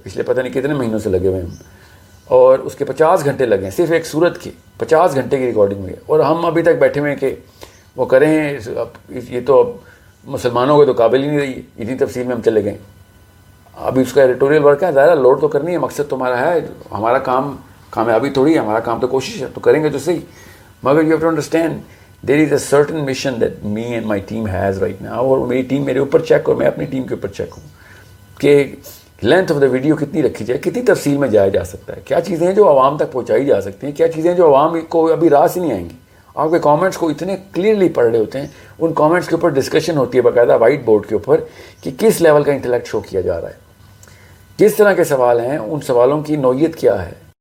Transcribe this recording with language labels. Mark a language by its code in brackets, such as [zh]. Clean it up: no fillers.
[hi] पिछले पता नहीं कितने महीनों से लगे हुए हम, और उसके 50 घंटे लगे हैं सिर्फ एक सूरत के, 50 घंटे की रिकॉर्डिंग हुई है. और हम अभी तक बैठे हुए हैं कि वो करें, ये तो अब मुसलमानों के तो काबिल ही नहीं रही, इतनी तफसील में हम चले गए. अभी उसका एडिटोरियल वर्क है, ज़्यादा लोड तो करनी है. मकसद तुम्हारा है, हमारा काम कामयाबी थोड़ी है, हमारा काम तो कोशिश है, तो करेंगे तो सही. मगर [en] You have to understand there is a certain mission that me and my team has right now. [hi] और मेरी टीम मेरे ऊपर चेक, और मैं अपनी टीम के ऊपर चेक हूँ कि लेंथ ऑफ द वीडियो कितनी रखी जाए, कितनी तफसील में जाया जा सकता है, क्या चीज़ें हैं जो आवाम तक पहुँचाई जा सकती हैं, क्या चीज़ें हैं जो आवाम को अभी रास ही नहीं आएंगी. आपके कॉमेंट्स को इतने क्लियरली पढ़ रहे होते हैं, उन कॉमेंट्स के ऊपर डिस्कशन होती है बाकायदा वाइट बोर्ड के ऊपर कि किस लेवल का इंटेलेक्ट शो किया जा रहा है, किस तरह के सवाल हैं, उन सवालों की नौयत क्या है.